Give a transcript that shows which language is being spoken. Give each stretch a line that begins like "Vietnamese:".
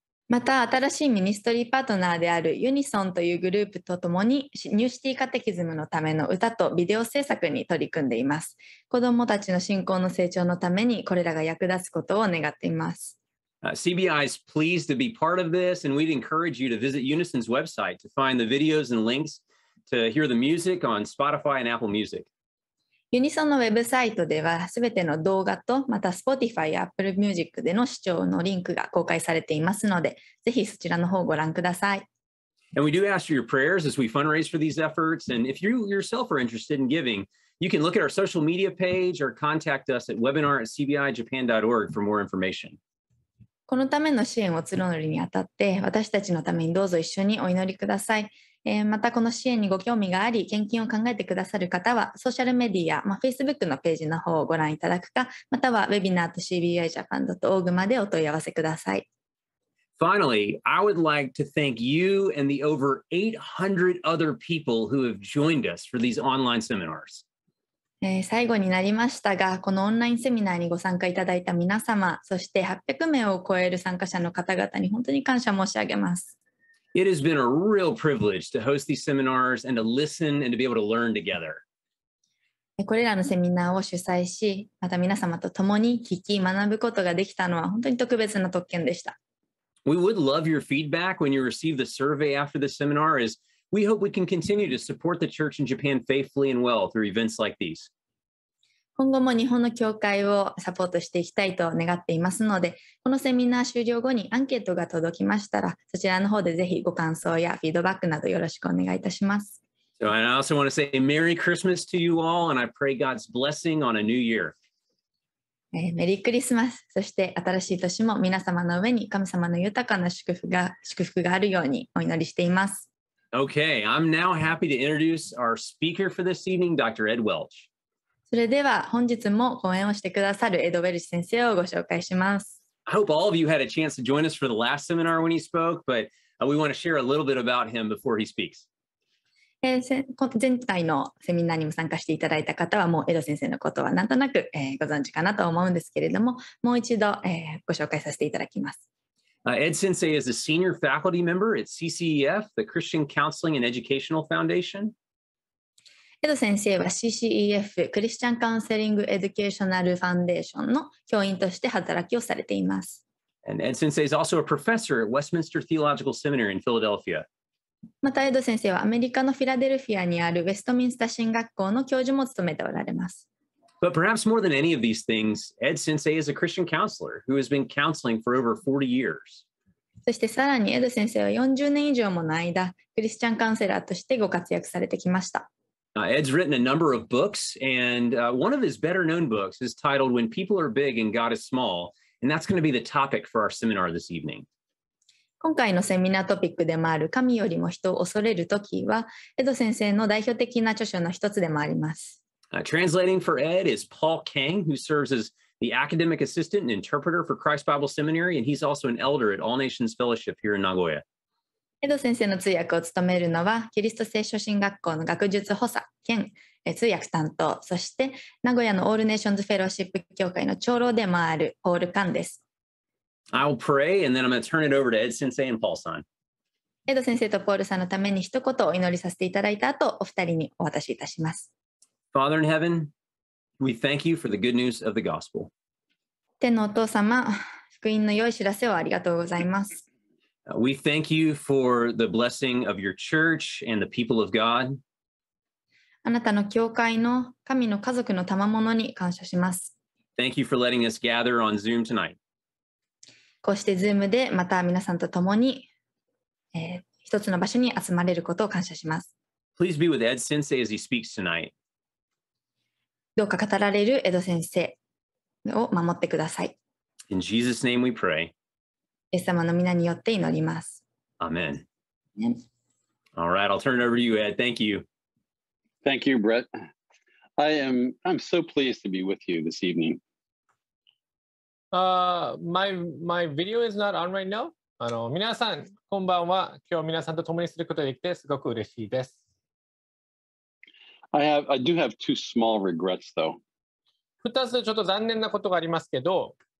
Japanese: また新しいミニストリーパートナーであるユニソンというグループとともにニューシティカテキズムのための歌とビデオ制作に取り組んでいます。子どもたちの信仰の成長のためにこれらが役立つことを願っています。
English: CBI is pleased to be part of this, and we'd encourage you to visit Unison's website to find the videos and links to hear the music on Spotify and Apple Music.
Japanese: ユニソンのウェブサイトでは、すべての動画と、また Spotify や Apple Music での視聴のリンクが公開されていますので、ぜひそちらの方をご覧ください。
English: And we do ask for your prayers as we fundraise for these efforts. And if you yourself are interested in giving, you can look at our social media page or contact us at webinar@cbijapan.org for more information.
Japanese: このための支援を募るにあたって、私たちのためにどうぞ一緒にお祈りください。またこの支援にご興味があり献金を考えてくださる方はソーシャルメディア、まあ、Facebook のページの方をご覧いただくかまたは webinar@cbijapan.org までお問い合わせください。
English: Finally, I would like to thank you and the over 800 other people who have joined us for these online seminars.
Japanese: 最後になりましたがこのオンラインセミナーにご参加いただいた皆様そして800名を超える参加者の方々に本当に感謝申し上げます。
English: It has been a real privilege to host these seminars and to listen and to be able to learn together.
Japanese: これらのセミナーを主催し、また皆様と共に聞き学ぶことができたのは本当に特別な特権でした。
English: We would love your feedback when you receive the survey after the seminar, as we hope we can continue to support the church in Japan faithfully and well through events like these.
Japanese: 今後も日本の教会をサポートしていきたいと願っていますので、このセミナー終了後にアンケートが届きましたら、そちらの方でぜひご感想やフィードバックなどよろしくお願いいたします。
English: So, I also want to say Merry Christmas to you all, and I pray God's blessing on a new year.
Japanese: メリークリスマス、そして新しい年も皆様の上に神様の豊かな祝福があるようにお祈りしています。
English: Okay, I'm now happy to introduce our speaker for this evening, Dr. Ed Welch.
Japanese: それでは本日も講演をしてくださるエド・ウェルチ先生をご紹介します。
English: I hope all of you had a chance to join us for the last seminar when he spoke, but we want to share a little bit about him before he speaks.
Japanese: 前回のセミナーにも参加していただいた方はもうエド先生のことはなんとなくご存知かなと思うんですけれども、もう一度ご紹介させていただきます。
English: Ed 先生 is a senior faculty member at CCEF, the Christian Counseling and Educational Foundation.
Japanese: エド先生は CCEF、クリスチャンカウンセリング・エデュケーショナル・ファンデーションの教員として働きをされています。
English: And Ed 先生 is also a professor at Westminster Theological Seminary in Philadelphia.
Japanese: また、エド先生はアメリカのフィラデルフィアにあるウェストミンスター神学校の教授も務めておられます。
English: But perhaps more than any of these things, Ed 先生 is a Christian counselor who has been counseling for over 40 years.
Japanese: そしてさらにエド先生は40年以上もの間、クリスチャンカウンセラーとしてご活躍されてきました。
English: Ed's written a number of books, and one of his better known books is titled When People Are Big and God is Small, and that's going to be the topic for our seminar this evening.
Japanese: 今回のセミナートピックでもある神よりも人を恐れる時は、エド先生の代表的な著書の一つでもあります。
English: Translating for Ed is Paul Kang, who serves as the academic assistant and interpreter for Christ Bible Seminary, and he's also an elder at All Nations Fellowship here in Nagoya.
Japanese: エド先生の通訳を務めるのは、キリスト聖書神学校の学術補佐兼通訳担当、そして名古屋のオールネーションズフェローシップ協会の長老でもあるポール・カンです。
English: I'll pray and then I'm going to turn it over to Ed 先生 and Paul-san.
Japanese: エド先生とポールさんのために一言お祈りさせていただいた後、お二人にお渡しいたします。
English: Father in heaven, we thank you for the good news of the gospel.
Japanese: 天のお父様、福音の良い知らせをありがとうございます。
English: We thank you for the blessing of your church and the people of God.
Japanese: あなたの教会の神の家族の賜物に感謝します。
English: Thank you for letting us gather on Zoom tonight.
Japanese: こうしてズームでまた皆さんと共に、一つの場所に集まれることを感謝します。
English: Please be with Ed 先生 as he speaks tonight.
Japanese: どうか語られるエド先生を守ってください。
English: In Jesus' name we pray.
Japanese: イエス様の皆によって祈ります。
English: Amen. All right, I'll turn it over to you, Ed. Thank you. Thank you, Brett. I'm so pleased to be with you this evening. My video is not on right now.
Japanese: あの、皆さん、こんばんは。今日皆さんと共にすることができてすごく嬉しいです。
English: I do have two small regrets though.
Japanese: 二つちょっと残念なことがありますけど。